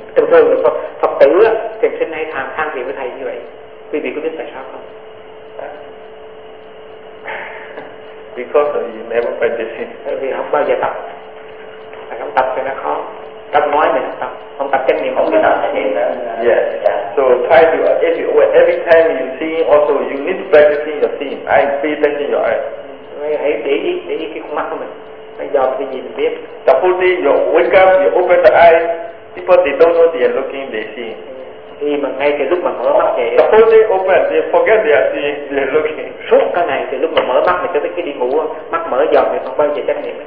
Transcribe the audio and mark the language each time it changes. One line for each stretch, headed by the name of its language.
Vietnamese: Thường thường là Phật tử á, thiền sinh hay than phiền với thầy như vậy, quý vị có biết tại sao không?
English: Because of you never practice.
Vietnamese: Vì không bao giờ tập, không tập thì nó khó. Tập nói mình tập, không tập chánh niệm không biết tập chánh niệm.
English: Yes. So try to every time you see, also you need to practice your seeing. I pay attention your eyes.
Vietnamese: Hãy để ý cái khuôn mặt của mình. Bây giờ thì nhìn biết.
English: The full day you wake up, you open the eyes. People they don't know they are looking, they see.
Vietnamese: Thì mà ngay cái lúc mà mở mắt vậy.
English: The full day open, they forget they are seeing, they are looking.
Vietnamese: Suốt cả ngày thì lúc mà mở mắt mà cho tới khi đi ngủ, mắt mở dần thì không bao giờ chánh niệm.